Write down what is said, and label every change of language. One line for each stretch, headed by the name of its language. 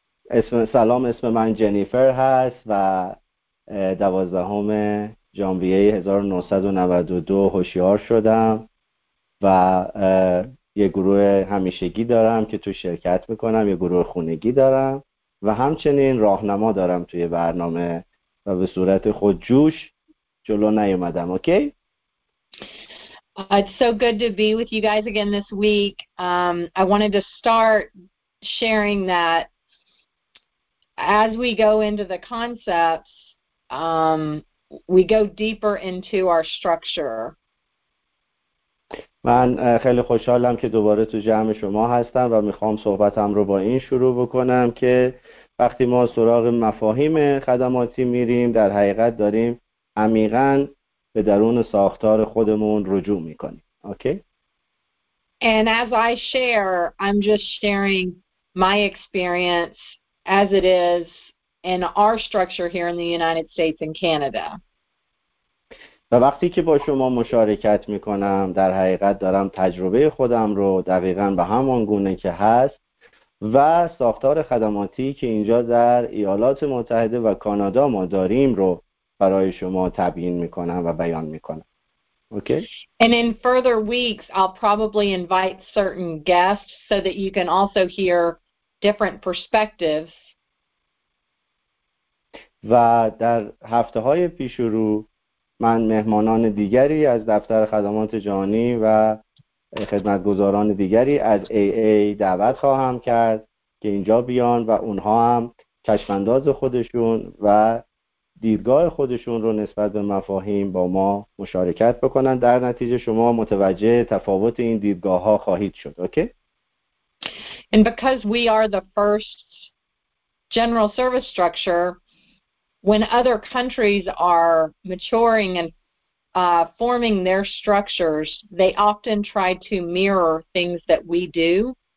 Persian: اسم من جنیفر هست و 12 ژانویه 1992 هوشیار شدم و یه گروه همیشگی دارم که تو شرکت میکنم، یه گروه خونگی دارم و همچنین راهنما دارم توی برنامه و به صورت خودجوش جلو نیومدم.
English: Okay? It's so good to be with you guys again this week. I wanted to start sharing that as we go into the concepts, we go deeper into our structure.
Persian: من خیلی خوشحالم که دوباره تو جمع شما هستم و میخوام صحبتم رو با این شروع بکنم که وقتی ما سراغ مفاهیم خدماتی میریم، در حقیقت داریم عمیقا به درون ساختار خودمون رجوع میکنیم.
English: Okay? And as I share, I'm just sharing my experience as it is in our structure here in the United States and Canada.
Persian: و وقتی که با شما مشارکت میکنم، در حقیقت دارم تجربه خودم رو دقیقاً به همان گونه که هست و ساختار خدماتی که اینجا در ایالات متحده و کانادا ما داریم رو برای شما تبیین میکنم و بیان میکنم.
English: Okay? And in further weeks I'll probably invite certain guests so that you can also hear different perspectives.
Persian: و در هفته‌های پیش رو من مهمانان دیگری از دفتر خدمات جهانی و خدمتگزاران دیگری از AA دعوت خواهم کرد که اینجا بیان و اونها هم چشمانداز خودشون و دیدگاه خودشون رو نسبت به مفاهیم با ما مشارکت بکنن. در نتیجه شما متوجه تفاوت این دیدگاه ها خواهید شد.
English: Okay? And because we are the first general service structure, when other countries are maturing and forming their structures, they often try to mirror things that we do.